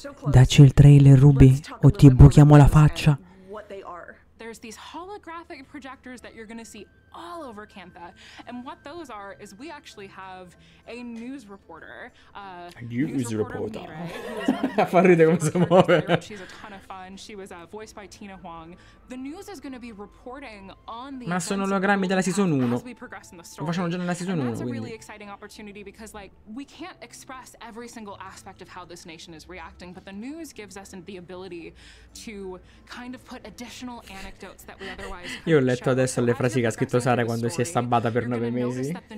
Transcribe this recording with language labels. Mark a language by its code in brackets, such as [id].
[it] Dacci il trailer, Ruby, o ti buchiamo la faccia. [en] There's these holographic projectors that you're going to see all over Campa. And what those are is we actually have a news reporter. A news reporter. [it] Fa ridere come si muove. [en] She's a ton of fun. She was voiced by Tina Huang. The news is going to be reporting on the... [it] Ma sono ologrammi della season 1. Lo facciamo già nella season 1, quindi. [en] That's a really exciting opportunity because, like, we can't express every single aspect of how this nation is reacting, but the news gives us the ability to kind of put additional anecdotes that we otherwise... [it] Io ho letto adesso le frasi che ha scritto Sara quando si è stabbata per 9 mesi.